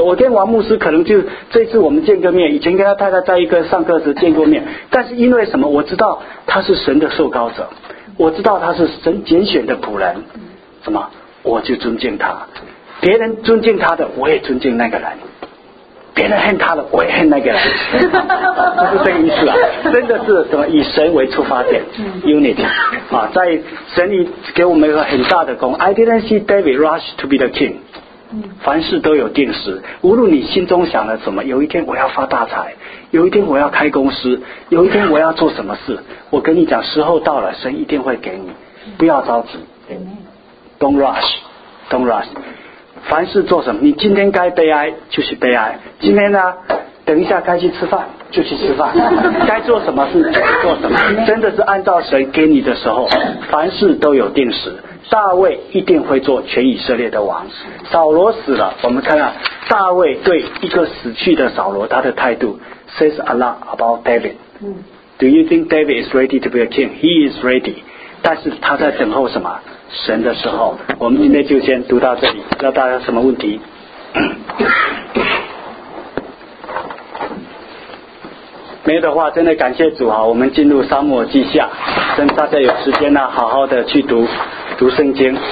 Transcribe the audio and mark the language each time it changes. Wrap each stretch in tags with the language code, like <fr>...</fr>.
<zh>我跟王牧师可能就这次我们见个面，以前跟他太太在一个上课时见过面，但是因为什么？我知道他是神的受膏者，我知道他是神拣选的仆人。什么？我就尊敬他，别人尊敬他的，我也尊敬那个人；别人恨他的，我也恨那个人。不是这个意思啊，真的是什么以神为出发点，unity 啊，在神里给我们一个很大的功。</zh> <en>I didn't see David rush to be the king。</en> <zh>凡事都有定时，无论你心中想了什么，有一天我要发大财，有一天我要开公司，有一天我要做什么事，我跟你讲，时候到了，神一定会给你，不要着急。</zh> <en>Don't rush, don't rush。</en> <zh>凡事做什么，你今天该悲哀就是悲哀。今天呢，等一下该去吃饭就去吃饭，该做什么事就做什么。真的是按照神给你的时候，凡事都有定时。大卫一定会做全以色列的王。扫罗死了，我们看看大卫对一个死去的扫罗他的态度 ，</zh> <en>says a lot about David。 Do you think David is ready to be a king? He is ready，</en> <zh>但是他在等候什么？神的时候，我们今天就先读到这里。不知道大家什么问题？没有的话，真的感谢主啊！我们进入沙漠记下，等大家有时间呢，好好的去读圣经。</zh>